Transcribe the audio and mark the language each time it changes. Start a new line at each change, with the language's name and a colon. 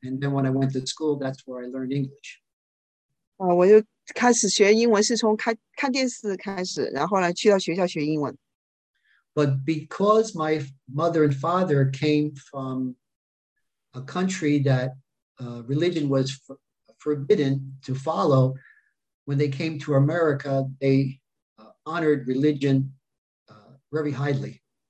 English: And then when I went to school, that's where I learned English.
Chinese: 我就开始学英文是从看电视开始，然后呢去到学校学英文。
English: But because my mother and father came from a country that religion was forbidden to follow, when they came to America, they honored religion very highly.